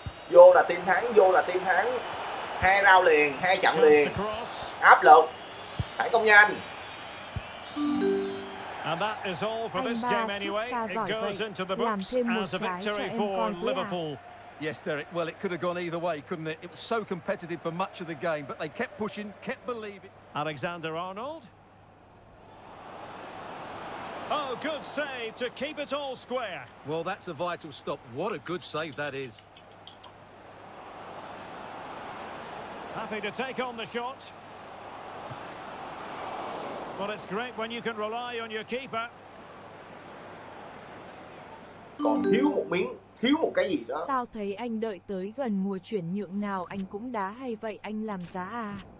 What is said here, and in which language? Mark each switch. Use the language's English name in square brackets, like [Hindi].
[Vietnamese] Vô là team thắng, vô là team thắng. Hai rau liền, hai trận liền. Áp lực. Phải công nhanh. Anh ba xuất xa giỏi vậy. Làm thêm một trái cho em coi thế à. [English] Yes, Derek. Well, it could have gone either way, couldn't it? It was so competitive for much of the game, but they kept pushing, kept believing. Alexander Arnold. Oh, good save to keep it all square. Well, that's a vital stop. What a good save that is. Happy to take on the shot. Well, it's great when you can rely on your keeper. [Vietnamese] Còn thiếu một miếng. Thiếu một cái gì đó. Sao thấy anh đợi tới gần mùa chuyển nhượng nào anh cũng đá hay vậy anh làm giá à?